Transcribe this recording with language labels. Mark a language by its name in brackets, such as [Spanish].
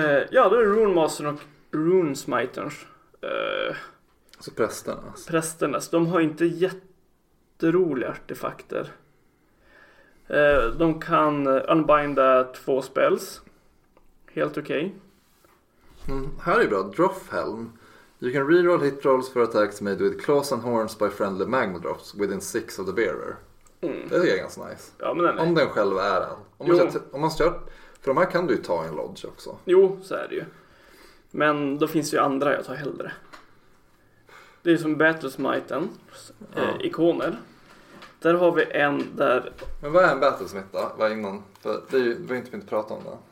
[Swedish] Ja, då är Runemastern och Runesmiterns. Så prästernas. Prästernas. De har inte jätteroliga artefakter. De kan unbinda två spells. Helt okej. Okay. Mm, här är bra. Drophelm. [English] You can reroll hit rolls for attacks made with claws and horns by friendly magma drops within 6 of the bearer. Mm. [Swedish] Det är ganska nice. Ja, men om den själv är den. Om man kör, för de här kan du ju ta en lodge också. Jo, så är det ju. Men då finns ju andra jag tar hellre. Det är som Battlesmiten, ikoner. Där har vi en där... Men vad är en Battlesmite då? Vad är innan? För det är ju, vi har inte fint prata om det.